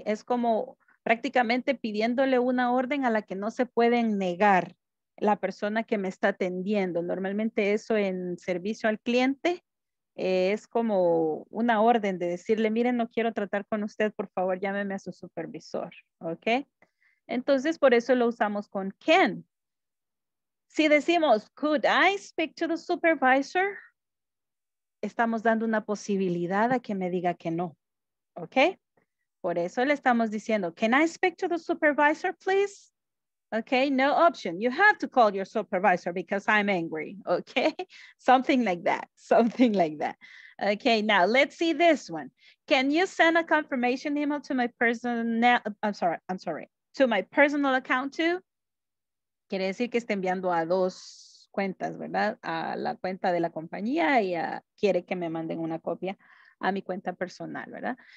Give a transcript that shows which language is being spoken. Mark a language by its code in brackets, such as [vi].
[es] Es como prácticamente pidiéndole una orden a la que no se pueden negar la persona que me está atendiendo. Normalmente eso en servicio al cliente es como una orden de decirle, miren, no quiero tratar con usted, por favor, llámeme a su supervisor, ¿ok? Entonces, por eso lo usamos con can. Si decimos, [en] could I speak to the supervisor? [es] Estamos dando una posibilidad a que me diga que no. ¿Ok? Por eso le estamos diciendo, [en] can I speak to the supervisor, please? Okay, no option. You have to call your supervisor because I'm angry. Okay, something like that, something like that. Okay, now let's see this one. Can you send a confirmation email to my personal, I'm sorry, to my personal account too? [es] Quiere decir que está enviando a dos cuentas, ¿verdad? A la cuenta de la compañía y quiere que me manden una copia a mi cuenta personal, ¿verdad?